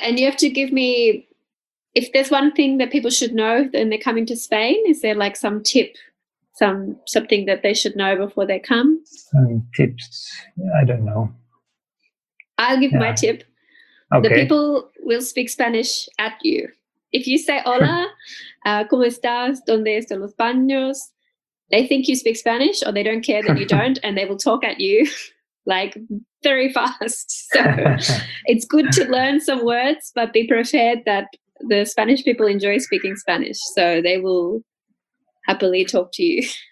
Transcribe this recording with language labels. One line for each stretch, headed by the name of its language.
English: And you have to give me, if there's one thing that people should know when they're coming to Spain, is there some tip something that they should know before they come? Tips, I don't know. I'll give my tip. Okay. The people will speak Spanish at you. If you say
Spanish: hola, ¿cómo estás? ¿Dónde están los baños?
English: They think you speak Spanish or they don't care that you don't, and they will talk at you like very fast. So it's good to learn some words, but be prepared that the Spanish people enjoy speaking Spanish, so they will happily talk to you.